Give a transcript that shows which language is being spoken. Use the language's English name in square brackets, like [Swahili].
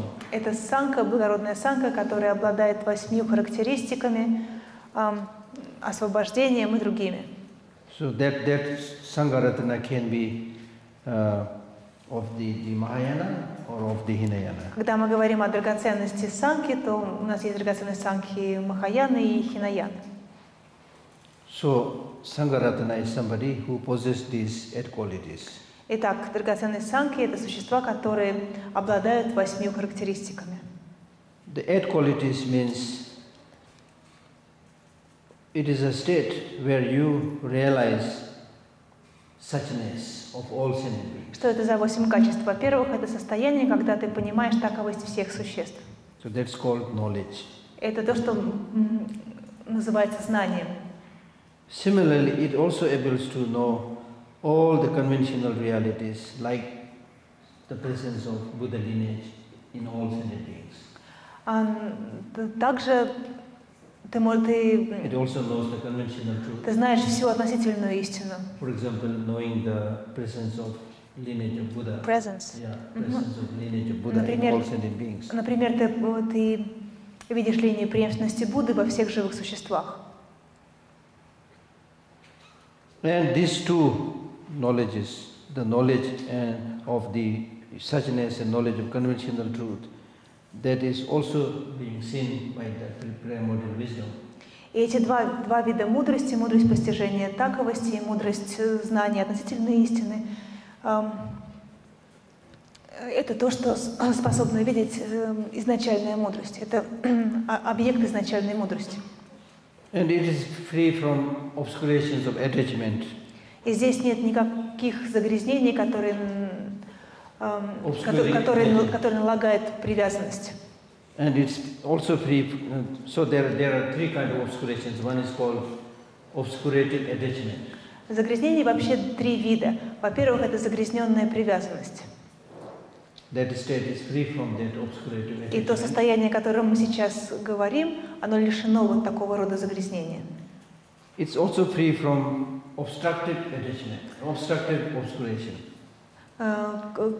[Russian] Это Санха, благородная Санха, которая обладает восьмью характеристиками, освобождением и другими. [English] So that Sangharatana can be of the Mahayana or of the Hinayana. [Russian] Когда мы говорим о драгоценности Санхи, то у нас есть драгоценность Санхи Махаяны и Хинаяны. [English] So Sangharatana is somebody who possesses these eight qualities. [Russian] Итак, драгоценные санки — это существа, которые обладают восьмью характеристиками. [English] The eight qualities means it is a state where you realize suchness of all sentient beings. [Russian] Что это за восемь качеств? Во-первых, это состояние, когда ты понимаешь таковость всех существ. [English] So that's called knowledge. [Russian] Это то, что называется знанием. [English] Similarly, it also able to know all the conventional realities, like the presence of Buddha lineage in all sentient beings. [Russian] Также ты [English] it also knows the conventional truth. [Russian] Ты знаешь всю относительную истину. [English] For example, knowing the presence of lineage of Buddha. Presence. Presence of lineage of Buddha in all sentient beings. [Russian] Например, ты видишь линию преемственности Будды во всех живых существах. [English] And these two knowledges, the knowledge of the suchness and knowledge of conventional truth, that is also being seen by the primordial wisdom. [Russian] И эти два вида мудрости, мудрость постижения таковости и мудрость знания относительной истины, это то, что способно видеть изначальная мудрость. Это объект изначальной мудрости. [English] And it is free from obscurations of attachment. [Russian] И здесь нет никаких загрязнений, которые налагает привязанность. [English] And it's also free. So there are three kinds of obscurations. One is called obscurated attachment. [Russian] Загрязнений вообще три вида. Во-первых, это загрязненная привязанность. [English] That state is free from that obscurative attachment. [Russian] И то состояние, о котором мы сейчас говорим, оно лишено вот такого рода загрязнения. [English] It's also free from obstructive attachment, obstructive obscuration.